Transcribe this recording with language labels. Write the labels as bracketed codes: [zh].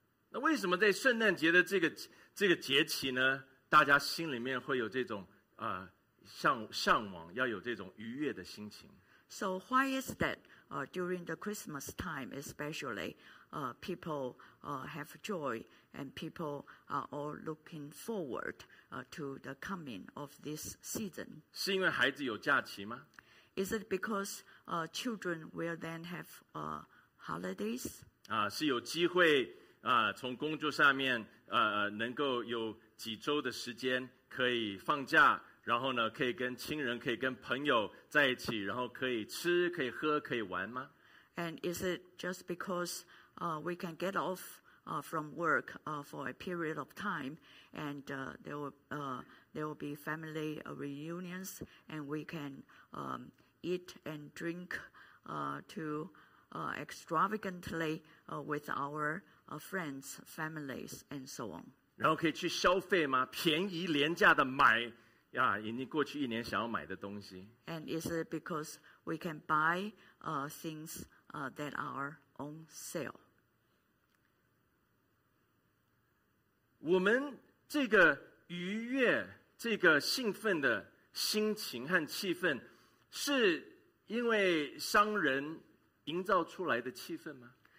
[zh] 那为什么在圣诞节的这个节期呢？大家心里面会有这种向往，要有这种愉悦的心情。 [en] So why is that? During the Christmas time, especially, people have joy and people are all looking forward to the coming of this season. [zh] 是因为孩子有假期吗 [en] ？Is it because children will then have holidays? [zh] 是有机会。从工作上面能够有几周的时间可以放假，然后呢可以跟亲人可以跟朋友在一起，然后可以吃可以喝可以玩吗 [en] ？And is it just because we can get off from work for a period of time and there will be family reunions and we can eat and drink to extravagantly with our friends, families, and so on. [zh] 然后可以去消费吗？便宜廉价的买呀，已经过去一年想要买的东西。 [en] And is it because we can buy things that are on sale? [zh] 我们这个愉悦、这个兴奋的心情和气氛，是因为商人营造出来的气氛吗？